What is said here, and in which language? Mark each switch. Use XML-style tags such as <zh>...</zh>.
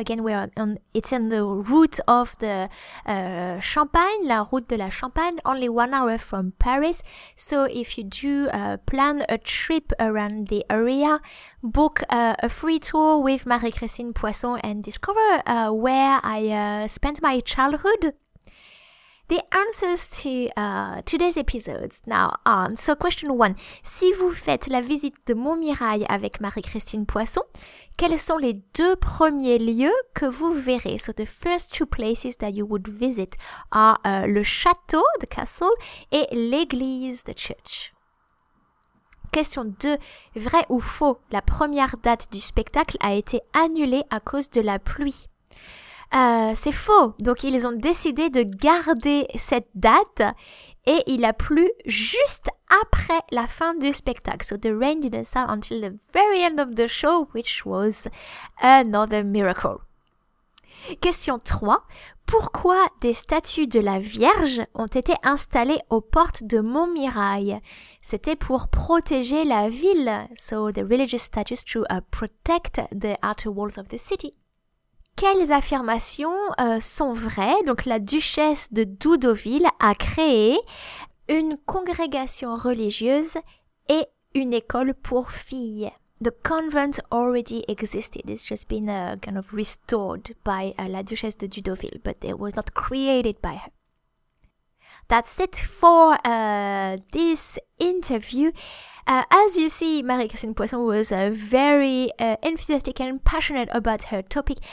<en>Again, we are on, it's on the route of the Champagne,</en> <fr>la route de la Champagne,</fr> <en>only 1 hour from Paris. So if you do plan a trip around the area, book a free tour with Marie-Christine Poisson and discover where I spent my childhood. The answers to today's episodes now are, so question 1,</en> <fr>si vous faites la visite de Montmirail avec Marie-Christine Poisson, quels sont les deux premiers lieux que vous verrez?</fr> <en>So the first two places that you would visit are</en> <fr>le château,</fr> <en>the castle,</en> <fr>et l'église,</fr> <en>the church.</en> <fr>Question 2, vrai ou faux, la première date du spectacle a été annulée à cause de la pluie. C'est faux, donc ils ont décidé de garder cette date et il a plu juste après la fin du spectacle.</fr> <en>So the rain didn't start until the very end of the show, which was another miracle.</en> <fr>Question 3, pourquoi des statues de la Vierge ont été installées aux portes de Montmirail? C'était pour protéger la ville.</fr> <en>So the religious statues to protect the outer walls of the city.</en> <fr>Quelles affirmations sont vraies? Donc la duchesse de Doudoville a créé une congrégation religieuse et une école pour filles.</fr> <en>The convent already existed. It's just been kind of restored by</en> <fr>la duchesse de Doudoville,</fr> <en>but it was not created by her. That's it for this interview. As you see, Marie-Christine Poisson was very enthusiastic and passionate about her topic.</en>